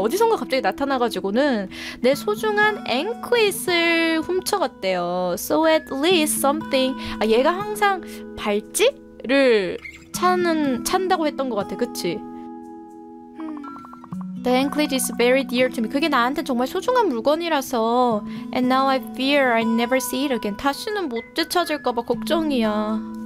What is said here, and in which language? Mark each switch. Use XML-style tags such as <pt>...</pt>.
<ko>어디선가 갑자기 나타나가지고는 내 소중한 앵크릿을 훔쳐갔대요.</ko> <en>So at least something.</en> <ko>아, 얘가 항상 발찌를 찬다고 했던 것 같아. 그치?</ko> <en>The anklet is very dear to me.</en> <ko>그게 나한테 정말 소중한 물건이라서.</ko> <en>And now I fear I never see it again.</en> <ko>다시는 못 되찾을까봐 걱정이야.</ko>